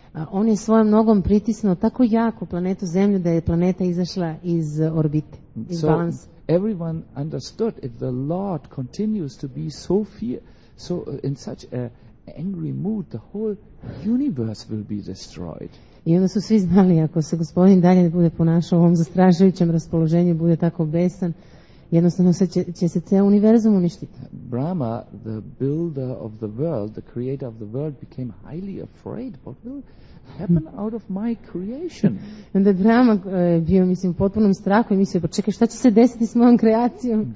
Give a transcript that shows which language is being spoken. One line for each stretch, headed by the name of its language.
Serbian: On je svojom nogom pritisnuo tako jako planetu Zemlju da je planeta izašla iz orbite, iz balansa.
English: So everyone understood if the Lord continues to be so fear, so in such a angry mood, the whole universe will be destroyed.
Serbian: I onda su svi znali, ako se gospodin dalje bude ponašao u ovom zastrašujućem raspoloženju, bude tako besan, jednostavno se će se ceo univerzum uništiti.
English: Brahma, the builder of the world, the creator of the world, became highly afraid. What will happen out of my creation?
Serbian: Onda je Brahma bio, mislim, u potpunom strahu i mislio, pa čekaj, šta će se desiti s mojom kreacijom?